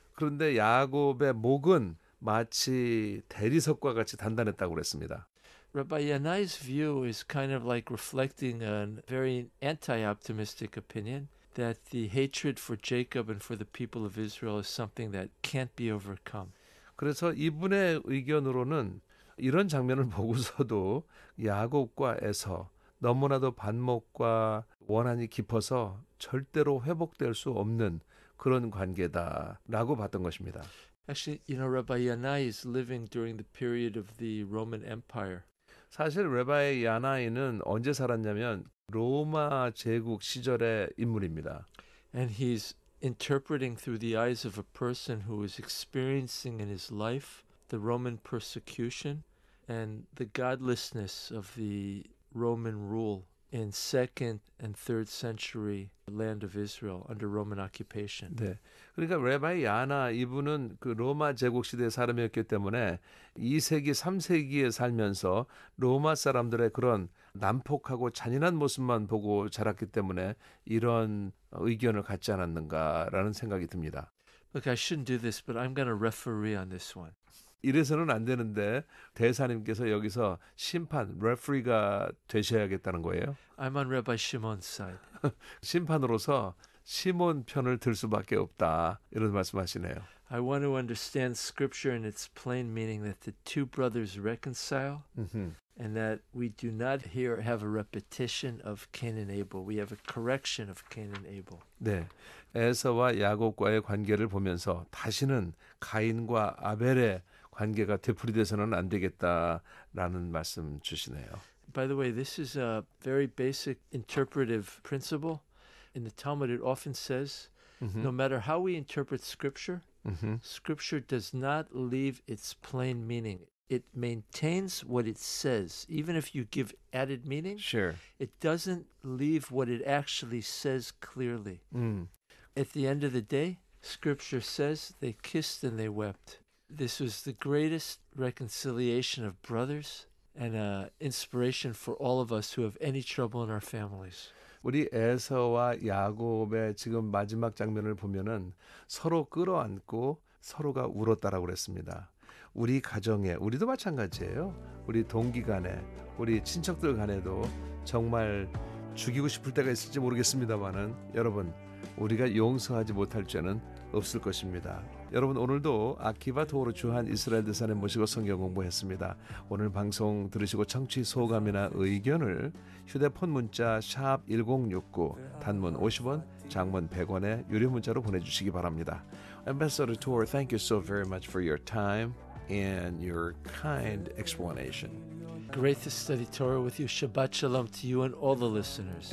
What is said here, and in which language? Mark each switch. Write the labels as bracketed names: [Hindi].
[Korean] 그런데 야곱의 목은 마치 대리석과 같이 단단했다고 그랬습니다. [English] Rabbi Yanai's view is kind of like reflecting a very anti-optimistic opinion that the hatred for Jacob and for the people of Israel is something that can't be overcome. [Korean] 그래서 이분의 의견으로는 이런 장면을 보고서도 야곱과 에서 너무나도 반목과 원한이 깊어서 절대로 회복될 수 없는 그런 관계다라고 봤던 것입니다. [English] Actually, you know, Rabbi Yanai is living during the period of the Roman Empire. [Korean] 사실 레바이 야나이는 언제 살았냐면 로마 제국 시절의 인물입니다. [English] And he's interpreting through the eyes of a person who is experiencing in his life the Roman persecution and the godlessness of the Roman rule in 2nd and 3rd century land of Israel under Roman occupation. [Korean] 네. 그러니까 레바이 야나 이분은 그 로마 제국 시대의 사람이었기 때문에 2세기, 3세기에 살면서 로마 사람들의 그런 난폭하고 잔인한 모습만 보고 자랐기 때문에 이런 의견을 갖지 않았는가라는 생각이 듭니다. [English] Look, I shouldn't do this, but I'm going to referee on this one. [Korean] 이래서는 안 되는데 대사님께서 여기서 심판, referee가 되셔야겠다는 거예요. [English] I'm on Rabbi Shimon's side. [Korean] 심판으로서 시몬 편을 들 수밖에 없다. 이런 말씀하시네요. [English] I want to understand scripture in its plain meaning that the two brothers reconcile and that we do not here have a repetition of Cain and Abel. We have a correction of Cain and Abel. [Korean] 네. 에서와 야곱과의 관계를 보면서 다시는 가인과 아벨의 관계가 되풀이돼서는 안 되겠다라는 말씀 주시네요. [English] By the way, this is a very basic interpretive principle. In the Talmud, it often says, no matter how we interpret Scripture, Scripture does not leave its plain meaning. It maintains what it says. Even if you give added meaning, it doesn't leave what it actually says clearly. At the end of the day, Scripture says they kissed and they wept. This was the greatest reconciliation of brothers and an inspiration for all of us who have any trouble in our families. [Korean] 우리 에서와 야곱의 지금 마지막 장면을 보면은 서로 끌어안고 서로가 울었다라고 그랬습니다. 우리 가정에 우리도 마찬가지예요. 우리 동기 간에 우리 친척들 간에도 정말 죽이고 싶을 때가 있을지 모르겠습니다만은 여러분 우리가 용서하지 못할 죄는 없을 것입니다. 여러분 오늘도 아키바 도어로 주한 이스라엘 대사님 모시고 성경 공부했습니다. 오늘 방송 들으시고 청취 소감이나 의견을 휴대폰 문자 샵 1069 단문 50원 장문 100원에 유료 문자로 보내주시기 바랍니다. [English] Ambassador Tour, thank you so very much for your time and your kind explanation. Great to study Torah with you. Shabbat shalom to you and all the listeners.